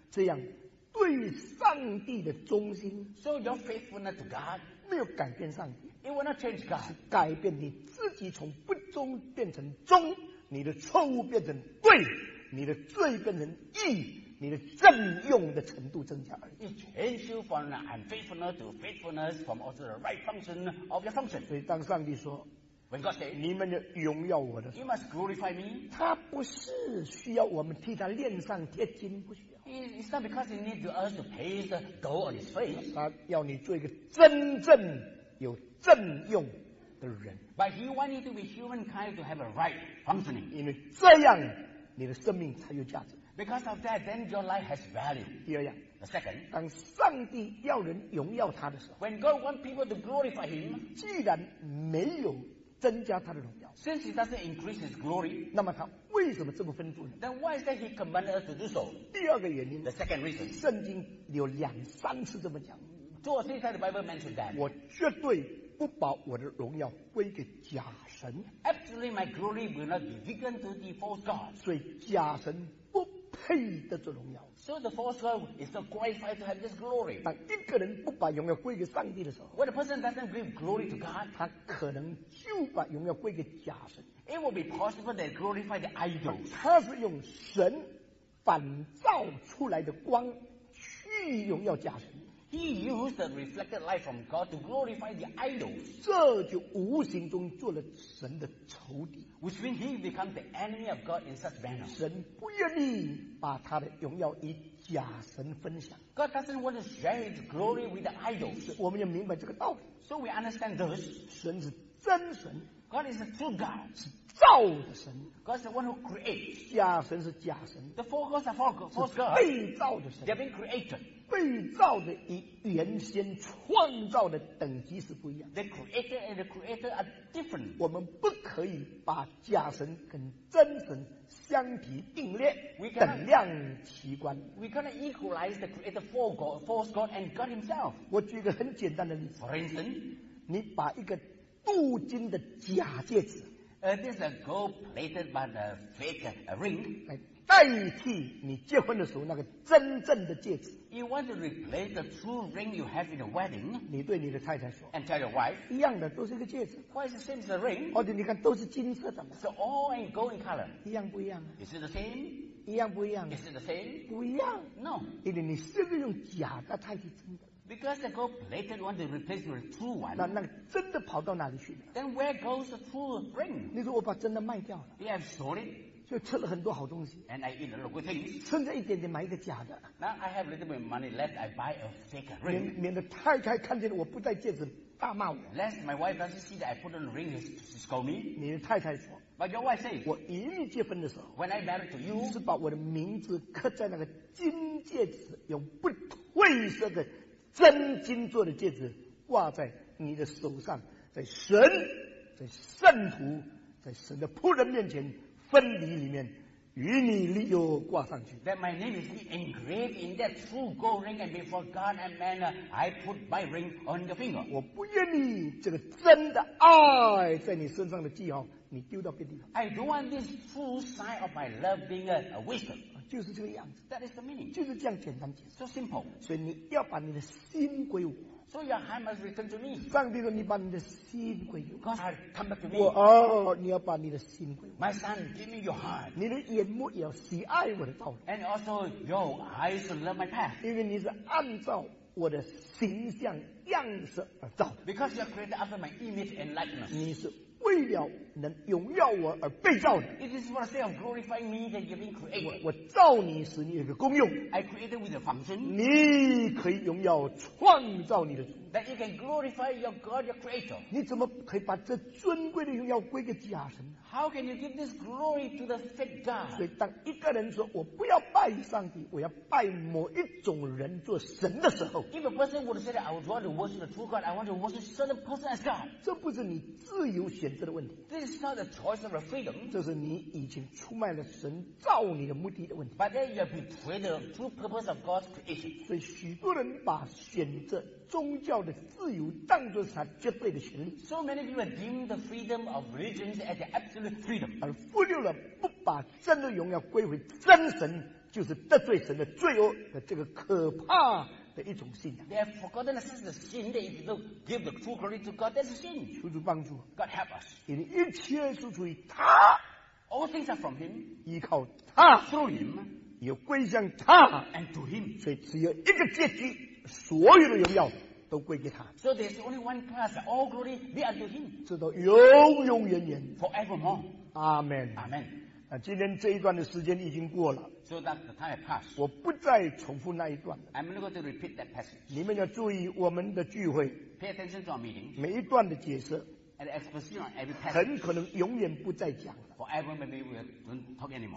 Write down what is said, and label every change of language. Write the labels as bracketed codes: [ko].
[zh] 这样对上帝的忠心 [en] ，So your faithfulness to God [zh] 没有改变上帝 [en] ，It will not change God， [zh] 是改变你自己从不忠变成忠。你的错误变成对，你的罪变成义，你的正用的程度增加而已。 [en] It changes you from unfaithfulness to faithfulness, from also the right function of your function. [zh] 所以当上帝说 [en] ，When God says, [zh] 你们要荣耀我的 [en] ，You must glorify me. [zh] 他不是需要我们替他链上贴金，不需要。 [en] It's not because he needs us to paste the gold on his face. [zh] 他要你做一个真正有正用。 [en] But he wanted to be humankind to have a right functioning. [zh] 因为这样你的生命才有价值。 [en] Because of that, then your life has value. [zh] 第二样。 [en] The second. [zh] 当上帝要人荣耀他的时候。 [en] When God wants people to glorify him. [zh] 既然没有增加他的荣耀。 [en] Since he doesn't increase his glory. [zh] 那么他为什么这么吩咐呢 [en] ？Then why is that he commanded us to do so? [zh] 第二个原因。 [en] The second reason. [zh] 圣经有两三次这么讲。 [en] So three times the Bible mentioned that. [zh] 我绝对。不把我的荣耀归给假神 [en] Absolutely my glory will not be given to the false God [zh] 所以假神不配得这荣耀 [en] So the false God is not qualified to have this glory [zh] 当一个人不把荣耀归给上帝的时候 [en] When a person doesn't give glory to God [zh] 他可能就把荣耀归给假神 [en] It will be possible that glorify the idol [zh] 他是用神反照出来的光去荣耀假神 [en] He used the reflected light from God to glorify the idols. [zh] 这就无形中做了神的仇敌。 [en] Which means he becomes the enemy of God in such manner. [zh] 神不愿意把他的荣耀与假神分享。 [en] God doesn't want to share his glory with the idols. [zh] 我们要明白这个道理。 [en] So we understand this. [zh] 神是真神。 [en] God is the true God. [zh] 是造的神。 [en] God is the one who creates. [zh] 假神是假神。 [en] The false gods are false gods. [zh] 是被造的神。 [en] They are being created. [zh] 被造的与原先创造的等级是不一样的。 [en] The creator and the creator are different. [zh] 我们不可以把假神跟真神相提并列，等量齐观。 [en] We cannot equalize the creator for God, false God and God himself. [zh] 我举一个很简单的例子。 [en] For instance, [zh] 你把一个镀金的假戒指 [en] this is a gold plated by the fake ring. [zh] 代替你结婚的时候那个真正的戒指。 [en] You want to replace the true ring you have in the wedding. [zh] 你对你的太太说。 [en] And tell your wife. [zh] 一样的，都是一个戒指。 [en] Why is the same as the ring? [zh] 或者你看都是金色的嘛。 [en] So all in gold in color. [zh] 一样不一样啊？ [en] Is it the same? [zh] 一样不一样 [en] 啊？ Is it the same? [zh] 不一样。 [en] No. [zh] 因为你是不是用假的代替真的？ [en] Because the gold plated one to replace with the true one. [zh] 那真的跑到哪里去了？ [en] Then where goes the true ring? [zh] 你说我把真的卖掉了。 [en] You have sold it. [zh] 就吃了很多好东西 [en] and I eat a lot of good things. [zh] 剩下一点点买一个假的 [en] Now I have a little bit of money left I buy a fake ring [zh] 免得太太看见我不戴戒指大骂我 [en] Lest my wife doesn't see that I put on a ring to scold me [zh] 你的太太说 [en] But your wife says [zh] 我一日结婚的时候 [en] When I married to you [zh] 是把我的名字刻在那个金戒指有不褪色的真金做的戒指挂在你的手上在神在圣徒在神的仆人面前分离里面与你利用挂上去 [en] that my name is engraved in that true gold ring and before God and man I put my ring on your finger [zh] 我不愿意这个真的爱在你身上的记号你丢到别地方 [en] I don't want this true sign of my love being a wisdom [zh] 就是这个样子 [en] that is the meaning [zh] 就是这样简单解释 [en] so simple [zh] 所以你要把你的心归我 [en] So your heart must return to me. [zh] 上帝说你把你的心归我。 [en] God, come back to me. [zh] 我哦，你要把你的心归我。 [en] My son, give me your heart. [zh] 你的眼目也要喜爱我的道路。 [en] And also your eyes should love my path. [zh] 因为你是按照我的形象样式而造的。 [en] Because you are created after my image and likeness. [zh] 你是为了能荣耀我而被造的。 [en] It is for the sake of glorifying me that you've been created. [zh] 我造你使你有个功用。 [en] I created with a function. [zh] 你可以荣耀创造你的主。 [en] That you can glorify your God, your creator. [zh] 你怎么可以把这尊贵的荣耀归给假神呢？ [en] How can you give this glory to the fake God? [zh] 所以当一个人说我不要拜上帝，我要拜某一种人做神的时候， [en] If a person would say that I would rather worship the true God, I want to worship a certain person as God. [zh] 这不是你自由选择的问题。 [en] This is not the choice of freedom. [zh] 这是你已经出卖了神造你的目的的问题。 [en] But then you have betrayed the true purpose of God's creation. [zh] 所以许多人把选择宗教的自由当作是他绝对的权利。 [en] So many people deem the freedom of religions as the absolute freedom. [zh] 而忽略了不把真的荣耀归回真神，就是得罪神的罪恶的这个可怕的一种信仰。 [en] They have forgotten the sense of sin that if you don't give the true glory to God, that's a sin. [zh] 求主帮助。 [en] God help us. [zh] 因为一切是出于他。 [en] All things are from Him. [zh] 依靠他。 [en] Through Him. [zh] 也归向他。 [en] And to Him. [zh] 所以只有一个结局。所有的荣耀都归给他。 [en] So there's only one class, all glory be unto Him. [zh] 直到永永远远。 [en] Forevermore. Amen. Amen. [zh] 今天这一段的时间已经过了。 [en] So that the time has passed. [zh] 我不再重复那一段了。 [en] I'm not going to repeat that passage. [zh] 你们要注意我们的聚会。 [en] Pay attention to our meeting. [zh] 每一段的解释。 [en] And exposition on every passage. [zh] 很可能永远不再讲了。 [en] Forever maybe we don't talk anymore.